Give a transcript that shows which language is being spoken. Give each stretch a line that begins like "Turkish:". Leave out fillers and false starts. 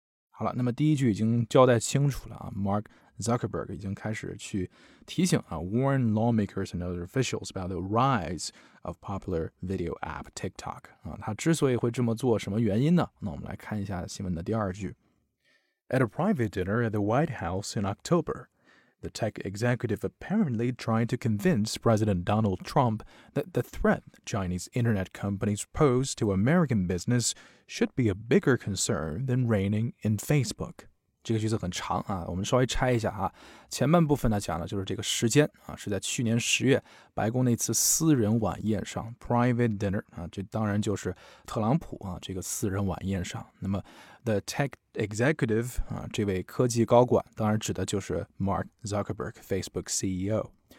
Chinese: 好了，那么第一句已经交代清楚了啊。
English: Mark Zuckerberg
Chinese: 已经开始去提醒啊
English: ,warn lawmakers and other officials about the rise of popular video app TikTok.
Chinese: 啊，他之所以会这么做，什么原因呢？那我们来看一下新闻的第二句。
English: At a private dinner at the White House in October, the tech executive apparently tried to convince President Donald Trump that the threat Chinese internet companies pose to American business should be a bigger concern than reigning in Facebook.
Chinese: 这个句子很长啊，我们稍微拆一下啊。前半部分呢讲的就是这个时间啊，是在去年十月白宫那次私人晚宴上 ,
English: private dinner,
Chinese: 啊，这当然就是特朗普啊这个私人晚宴上。那么 ,
English: the tech executive,
Chinese: 啊这位科技高管当然指的就是 Mark Zuckerberg,Facebook CEO。